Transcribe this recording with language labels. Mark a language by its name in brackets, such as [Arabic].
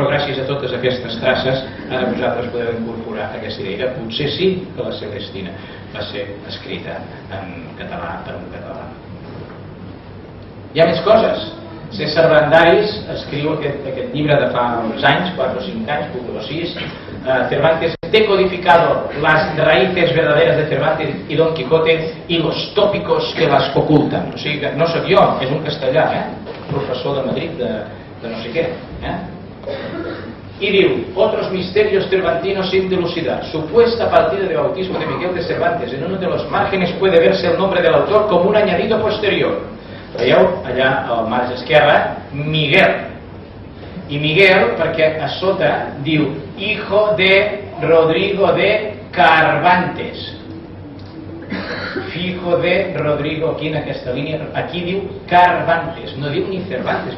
[Catalan] Però gràcies a totes aquestes traces, ara vosaltres podeu incorporar aquesta idea. Potser sí que la Celestina va ser escrita en català per un català. Hi ha més coses. César Brandaris escriu aquest llibre de fa uns anys, 4 o 5 anys, 1 o 6. [Spanish] Cervantes té codificado las raíces verdaderas de Cervantes y Don Quijote y los tópicos que las ocultan. [Catalan] O sigui que no sóc jo, és un castellà, professor de Madrid, de no sé què. I diu, [Spanish] otros misterios cervantinos sin dilucidar. Supuesta partida de bautismo de Miguel de Cervantes. En uno de los márgenes puede verse el nombre del autor como un añadido posterior. [Catalan] Veieu allà al marge esquerre, Miguel. I Miguel, perquè a sota diu, [Spanish] hijo de Rodrigo de Cervantes. Fijo de Rodrigo, [Catalan] aquí en aquesta línia, aquí diu Cervantes, no diu ni Cervantes.